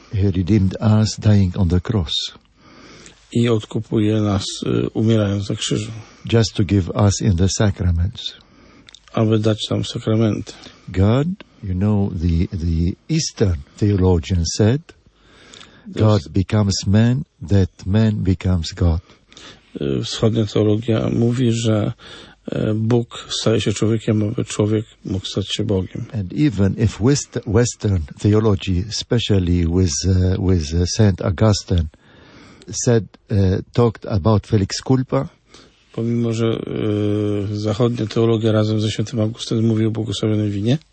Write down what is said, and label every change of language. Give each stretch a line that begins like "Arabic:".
English: He redeemed us dying on the cross.
Polish: I odkupuje nas, umierając na krzyżu.
English: Just to give us in the sacraments.
Polish: Aby dać nam sakramenty.
English: God, you know, the Eastern theologian said, God becomes man, that man becomes God.
Polish: Wschodnia teologia mówi, że Bóg staje się człowiekiem, aby człowiek mógł stać się Bogiem.
English: And even if Western theology, especially with Saint Augustine, said talked about Felix Culpa,
Polish: pomimo że zachodnia teologia razem ze świętym Augustynem mówi o błogosławionej winie,